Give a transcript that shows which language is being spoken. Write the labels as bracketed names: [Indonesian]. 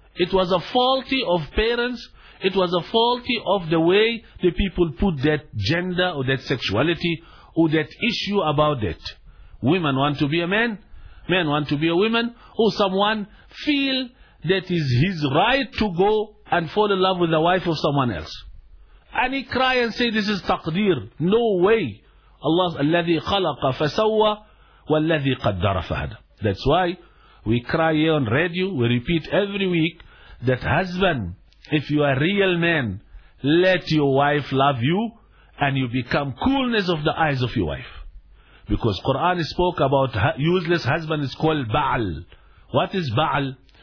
[English] It was a faulty of parents. It was a faulty of the way the people put that gender or that sexuality or that issue about that. Women want to be a man. Men want to be a woman. Or someone feel that is his right to go and fall in love with the wife of someone else. And he cry and say, this is taqdeer. No way. [Arabic] Allah, الَّذِي خَلَقَ فَسَوَّى وَالَّذِي قَدَّرَ فَهَدَى. [English] That's why we cry here on radio. We repeat every week that husband, if you are a real man, let your wife love you and you become coolness of the eyes of your wife. Because Quran spoke about useless husband is called Ba'al. What is Ba'al?